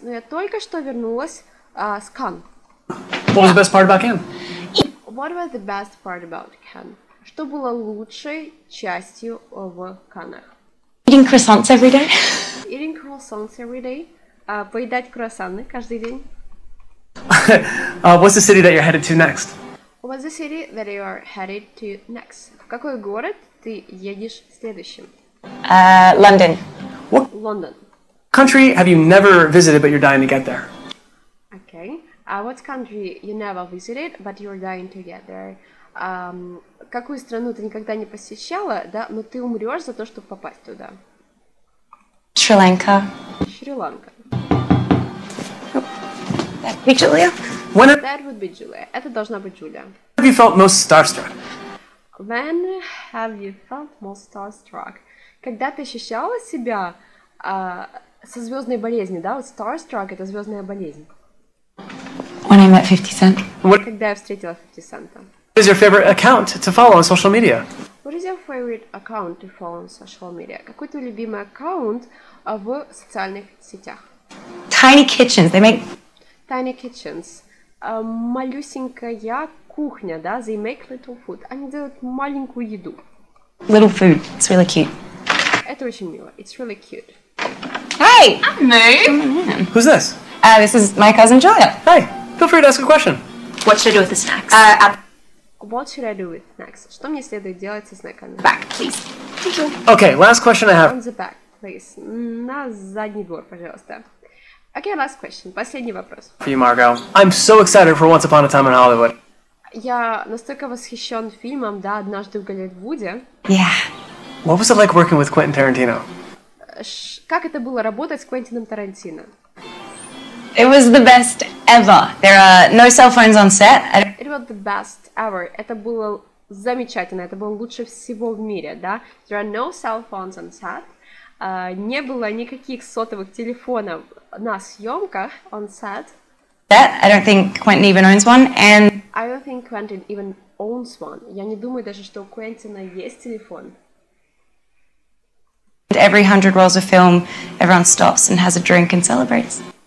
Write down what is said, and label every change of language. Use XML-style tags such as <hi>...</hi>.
<ru>Но я только что вернулась с Кан.</ru> <en>What was the best part about Cannes? What was the best part about Cannes?</en> <ru>Что было лучшей частью в Каннах?</ru> <en>Eating croissants every day. Eating croissants every day.</en> <ru>Поедать круассаны каждый день.</ru> <en>What's the city that you're headed to next? What's the city that you are headed to next?</en> <ru>В какой город ты едешь следующим?</ru> <en>London. What? London. Country have you never visited but you're dying to get there? Okay. What country you never visited, but you're dying to get there?</en> <ru>Какую страну ты никогда не посещала, да, но ты умрёшь за то, чтобы попасть туда? Шри-Ланка. Шри-Ланка.</ru> <en>Oh, that's me, Julia. When that would be Julia.</en> <ru>Это должна быть</ru> <en>Julia. When have you felt most starstruck? When have you felt most starstruck?</en> <ru>Когда ты ощущала себя со звездной болезнью, да? Вот starstruck — это звездная болезнь.</ru> <en>When I met 50 Cent.</en> <ru>Когда я встретила 50 Cent.</ru> <en>What is your favorite account to follow on social media? What is your favorite account to follow on social media?</en> <ru>Какой твой любимый аккаунт в социальных сетях?</ru> <en>Tiny kitchens. They make tiny kitchens.</en> <ru>Малюсенькая кухня, да?</ru> <en>They make little food.</en> <ru>Они делают маленькую еду.</ru> <en>Little food. It's really cute.</en> <ru>Это очень мило.</ru> <en>It's really cute. Hey! I'm new. Who's this? This is my cousin Julia. Hi. Feel free to ask a question. What should I do with the snacks? What should I do with snacks? Что мне следует делать со снеками? Back, please. Okay, last question I have. On the back, please.</en> <ru>На задний двор, пожалуйста.</ru> <en>Okay, last question.</en> <ru>Последний вопрос.</ru> <en>For you, Margot. I'm so excited for Once Upon a Time in Hollywood.</en> <ru>Я настолько восхищен фильмом, да, «Однажды в Голливуде».</ru> <en>Yeah. What was it like working with Quentin Tarantino?</en> <ru>Как это было работать с Квентином Тарантино?</ru> <en>It was the best ever. There are no cell phones on set. It was the best ever.</en> <ru>Это было замечательно. Это было лучше всего в мире, да?</ru> <en>There are no cell phones on set.</en> <ru>Не было никаких сотовых телефонов на съемках</ru> <en>on set. That I don't think Quentin even owns one. And I don't think Quentin even owns one.</en> <ru>Я не думаю даже, что у Квентина есть телефон.</ru> <en>And every 100 rolls of film, everyone stops and has a drink and celebrates.</en>